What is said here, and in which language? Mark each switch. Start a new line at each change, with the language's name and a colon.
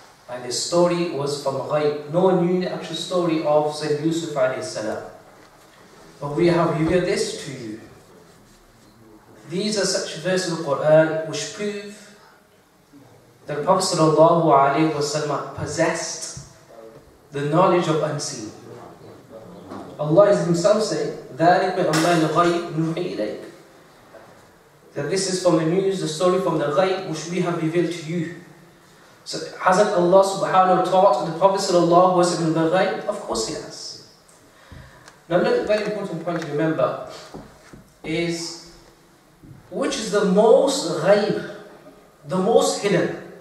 English: And this story was from ghayb. No one knew the actual story of Sayyidina Yusuf alayhi salam. But we have revealed this to you. These are such verses of the Quran which prove that the Prophet sallallahu alayhi wa sallam possessed the knowledge of unseen. Allah is himself saying,
Arabic: ذَلِكْ مِنْ أَمَّا الْغَيْبِ نُوحِي إِلَيْكَ.
English: That this is from the news, the story from the ghayb which we have revealed to you. So hasn't Allah subhanahu wa taught the Prophet sallallahu alayhi wa sallam the ghayb? Of course he has. Now another very important point to remember is which is the most ghaib, the most hidden.